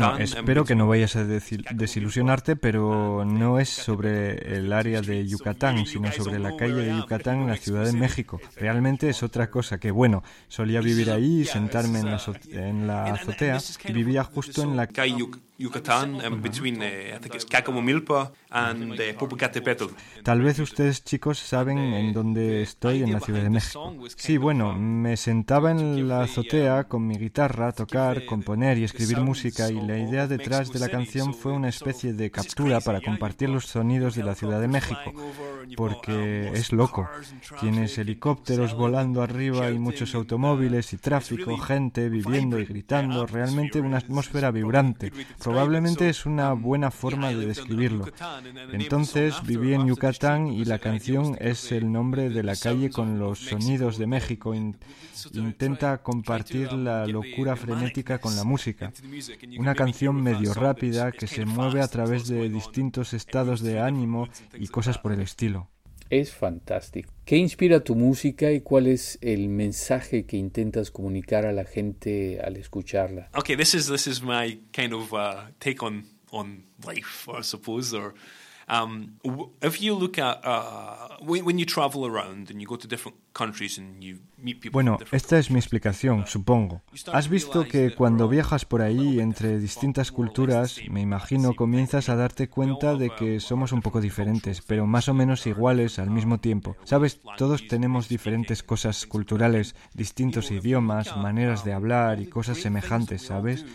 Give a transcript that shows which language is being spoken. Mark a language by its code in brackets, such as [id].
[es] Bueno, espero que no vayas a desilusionarte, pero no es sobre el área de Yucatán, sino sobre la calle de Yucatán en la Ciudad de México. Realmente es otra cosa que, bueno, solía vivir ahí y sentarme en la azotea, y vivía justo en la [en] calle Yucatán, between, I think it's Cacamomilpa and Popocatépetl. [es] Tal vez ustedes, chicos, saben en dónde estoy en la Ciudad de México. Sí, bueno, me sentaba en la azotea con mi guitarra a tocar, componer y escribir música, y la idea detrás de la canción fue una especie de captura para compartir los sonidos de la Ciudad de México, porque es loco. Tienes helicópteros volando arriba y muchos automóviles y tráfico, gente viviendo y gritando, realmente una atmósfera vibrante. Probablemente es una buena forma de describirlo. Entonces viví en Yucatán y la canción es el nombre de la calle con los sonidos de México. Intenta compartir la locura frenética con la música. Una canción medio rápida que se mueve a través de distintos estados de ánimo y cosas por el estilo. Es fantástico. ¿Qué inspira tu música y cuál es el mensaje que intentas comunicar a la gente al escucharla? [en] Okay, this is my kind of take on life, I suppose. Or if you look at when you travel around and you go to different countries and you meet people. [es] Bueno, esta es mi explicación, supongo. Has visto que cuando viajas por ahí entre distintas culturas, me imagino, comienzas a darte cuenta de que somos un poco diferentes, pero más o menos iguales al mismo tiempo. Sabes, todos tenemos diferentes cosas culturales, distintos idiomas, maneras de hablar y cosas semejantes, ¿sabes?